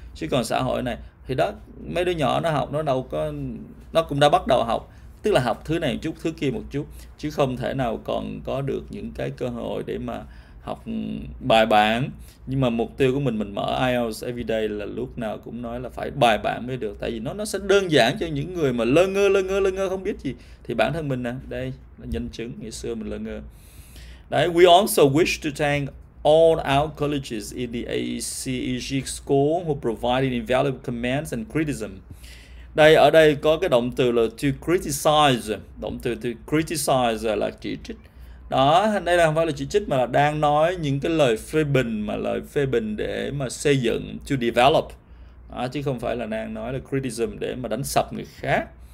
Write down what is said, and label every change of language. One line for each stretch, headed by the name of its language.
Vietnamese: Chứ còn xã hội này thì đó, mấy đứa nhỏ nó học nó đâu có, nó cũng đã bắt đầu học, tức là học thứ này một chút, thứ kia một chút, chứ không thể nào còn có được những cái cơ hội để mà học bài bản. Nhưng mà mục tiêu của mình mở IELTS Everyday là lúc nào cũng nói là phải bài bản mới được, tại vì nó sẽ đơn giản cho những người mà lơ ngơ không biết gì. Thì bản thân mình nè, đây là nhân chứng, ngày xưa mình lơ ngơ.
English: Đấy, we also wish to thank all our colleges in the ACEG school who provided invaluable comments and criticism.
Vietnamese: Đây, ở đây có cái động từ là to criticize. Động từ criticize là chỉ trích. Đó, đây là không phải là chỉ trích mà là đang nói những cái lời phê bình, mà lời phê bình để mà xây dựng, to develop. Đó, chứ không phải là đang nói là criticism để mà đánh sập người khác.